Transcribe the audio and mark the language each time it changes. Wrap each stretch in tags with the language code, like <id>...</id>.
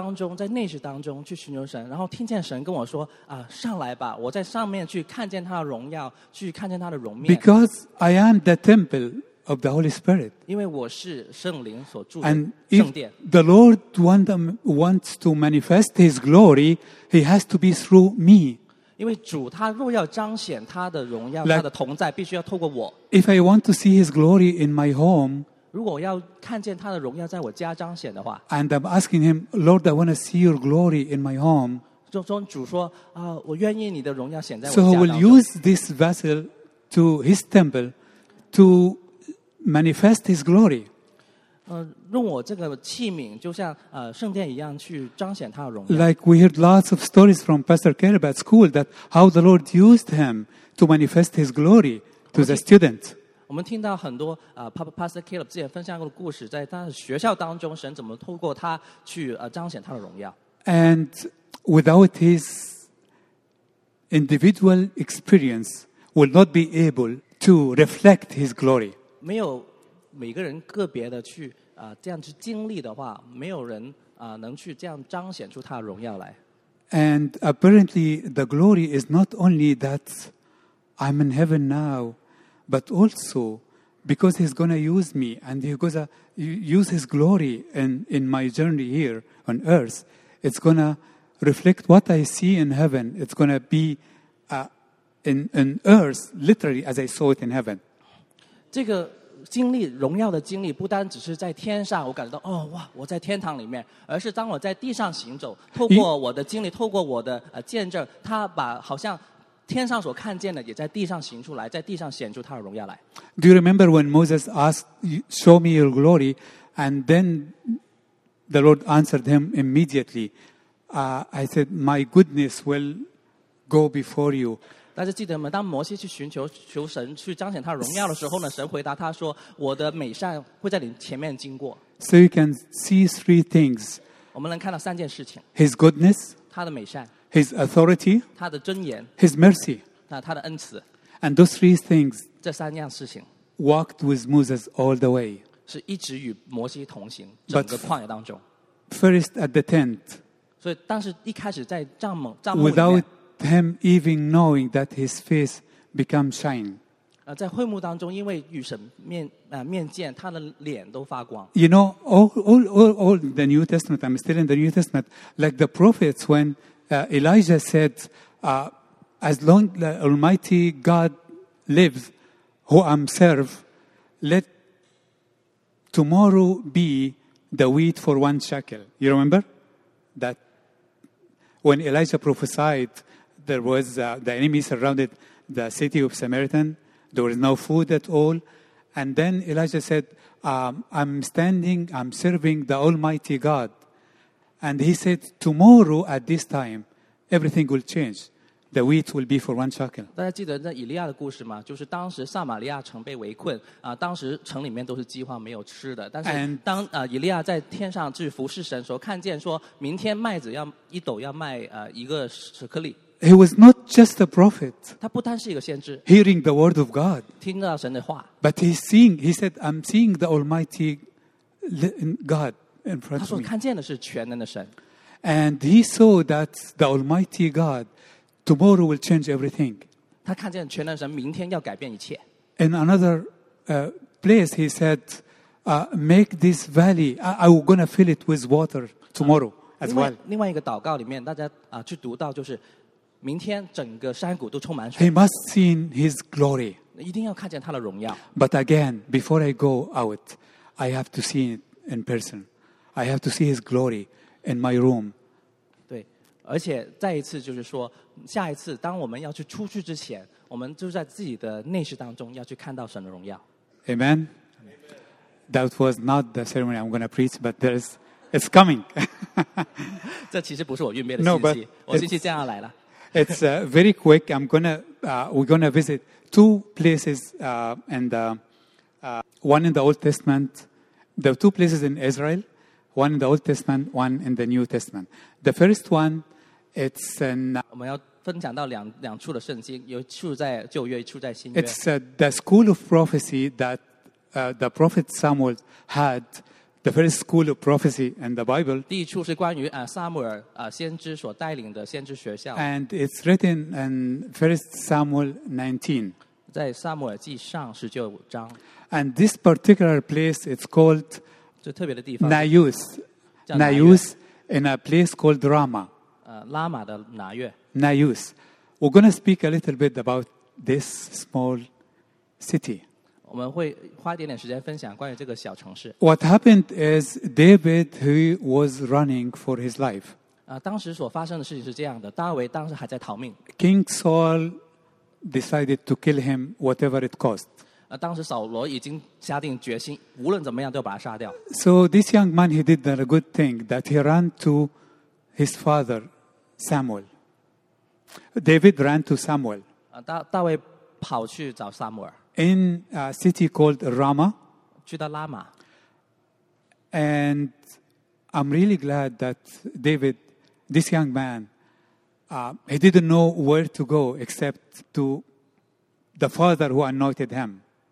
<zh>当我去在祷告当中，在内室当中去寻求神，然后听见神跟我说, 上来吧, 我在上面去看见他的荣耀, 去看见他的容面。</zh> <en>Because I am the temple of the Holy Spirit.</en> <zh>因为我是圣灵所住的,</zh> <en>and if the Lord wants to manifest His glory, He has to be through me.</en> <zh>因为主他若要彰显他的荣耀, 他的同在, 必须要透过我。</zh> <en>If I want to see His glory in my home,</en> <zh>如果我要看见他的荣耀在我家彰显的话</zh> <en>And I'm asking him, Lord, I want to see your glory in my home.</en> <zh>就说主说、我愿意你的荣耀显在我家当中</zh> <en>So I will use this vessel to his temple to manifest his glory.</en> <zh>用我这个器皿就像、圣殿一样去彰显他的荣耀</zh> <en>Like we heard lots of stories from Pastor Caleb at school that how the Lord used him to manifest his glory to the student.</en> <zh>我们听到很多、Pastor Caleb 之前分享过的故事在他的学校当中神怎么透过他去、彰显他的荣耀</zh> <en>And without his individual experience will not be able to reflect his glory.</en> <zh>没有每个人个别的去这样去经历的话没有人、能去这样彰显出他的荣耀来</zh> <en>And apparently the glory is not only that I'm in heaven now but also because he's going to use me and he's going to use his glory in my journey here on earth it's going to reflect what I see in heaven it's going to be in earth literally as I saw it in heaven</en> <zh>这个经历荣耀的经历不单只是在天上我感觉到、哦、哇我在天堂里面而是当我在地上行走透过我的经历透过我的、见证他把好像天上所看见的也在地上行出来在地上显出他的荣耀来</zh> <en>Do you remember when Moses asked show me your glory and then the Lord answered him immediately I said my goodness will go before you</en> <zh>大家记得吗当摩西去寻求求神去彰显他荣耀的时候呢神回答他说我的美善会在你前面经过</zh> <en>So you can see three things</en> <zh>我们能看到三件事情</zh> <en>His goodness</en> <zh>他的美善</zh> <en>His authority,</en> <zh>他的尊严,</zh> <en>His mercy,</en> <zh>那他的恩慈,</zh> <en>and those three things,</en> <zh>这三样事情,</zh> <en>walked with Moses all the way,</en> <zh>是一直与摩西同行, 整个旷野当中,</zh> <en>first at the tent,</en> <zh>所以当时一开始在帐幕,</zh> <en>without him even knowing that his face became shine,</en> <zh>在会幕当中因为与神面, 面见, 他的脸都发光,</zh> <en>you know, all the New Testament, I'm still in the New Testament, like the prophets when Elijah said, as long as the Almighty God lives, who I am serve, let tomorrow be the wheat for one shekel. You remember that when Elijah prophesied, there was the enemy surrounded the city of Samaritan. There was no food at all. And then Elijah said, I'm serving the Almighty God. And he said, tomorrow at this time, Everything will change. The wheat will be for one shekel.</en> <zh>大家记得那以利亚的故事吗？就是当时撒玛利亚城被围困啊，当时城里面都是饥荒，没有吃的。但是当以利亚在天上去服侍神，说看见说明天麦子要一斗要卖一个十颗粒。</zh> <en>He was not just a prophet.</en> <zh>他不单是一个先知。</zh> <en>Hearing the word of God.</en> <zh>听到神的话。</zh> <en>But he's seeing. He said, "I'm seeing the Almighty God in front of me."</en> <zh>他说看见的是全能的神。</zh> <en>And he saw that the Almighty God tomorrow will change everything.</en> <zh>他看见全能神明天要改变一切。</zh> <en>In another place, he said, make this valley, I'm going to fill it with water tomorrow as well.</en> <zh>另外一个祷告里面大家去读到就是明天整个山谷都充满水。</zh> <en>He must see his glory.</en> <zh>一定要看见他的荣耀。</zh> <en>But again, before I go out, I have to see it in person. I have to see his glory. In my room.</en> <zh>对，而且再一次就是说，下一次当我们要去出去之前，我们就在自己的内室当中要去看到神的荣耀。</zh> <en>Amen. That was not the ceremony I'm going to preach, but it's coming.</en> <zh>这其实不是我预备的信息，</zh> <en>no, but</en> <zh>我信息这样来了。</zh> <en>It's very quick. I'm gonna we're gonna visit two places and one in the Old Testament, the two places in Israel. One in the Old Testament, one in the New Testament. The first one, it's in.</en> <zh>我们要分享到两处的圣经，有一处在旧约，一处在新约。</zh> <en>It's the school of prophecy that the prophet Samuel had. The first school of prophecy in the Bible.</en> <zh>第一处是关于撒母耳先知所带领的先知学校。</zh> <en>And it's written in First Samuel 19.</en> <zh>在撒母耳记上十九章。</zh> <en>And this particular place, it's called.</en> <zh>最特别的地方</zh> <en>Nayus in a place called Rama.</en> <zh>拉玛的拿月</zh> <en>Nayus. We're going to speak a little bit about this small city. What happened is David, who was running for his life.</en> <zh>当时所发生的事情是这样的，大卫当时还在逃命。</zh> <en>King Saul decided to kill him, whatever it cost.</en> <zh>当时扫罗已经下定决心，无论怎么样都要把他杀掉。</zh> <en>So this young man, he did that a good thing, that he ran to his father, Samuel. David ran to Samuel.</en> <zh>大卫跑去找撒母耳。</zh> <en>In a city called Rama.</en> <zh>去到拉玛。</zh> <en>And I'm really glad that David, this young man, he didn't know where to go except to the father who anointed him.</en>